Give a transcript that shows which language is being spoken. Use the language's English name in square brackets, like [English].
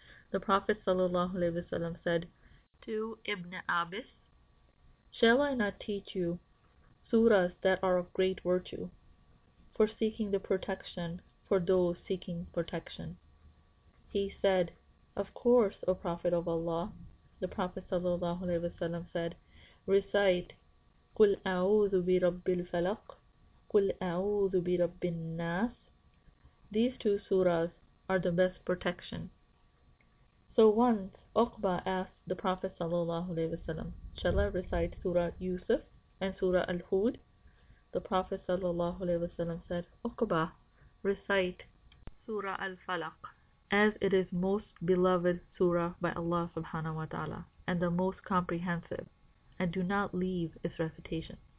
[English] The Prophet sallallahu alaihi wasallam said to Ibn Abbas, "Shall I not teach you surahs that are of great virtue for seeking the protection for those seeking protection?" He said, "Of course, O Prophet of Allah." The Prophet sallallahu alaihi wasallam said, "Recite [Arabic] قُلْ أَعُوذُ بِرَبِّ الْفَلَقِ قُلْ أَعُوذُ بِرَبِّ النَّاسِ." [English] These two surahs are the best protection. So once Uqba asked the Prophet sallallahu alaihi wasallam, "Shall I recite Surah Yusuf and Surah Al-Hud?" The Prophet sallallahu alaihi wasallam said, "Uqba, recite Surah Al-Falaq, as it is most beloved surah by Allah subhanahu wa ta'ala and the most comprehensive, and do not leave its recitation."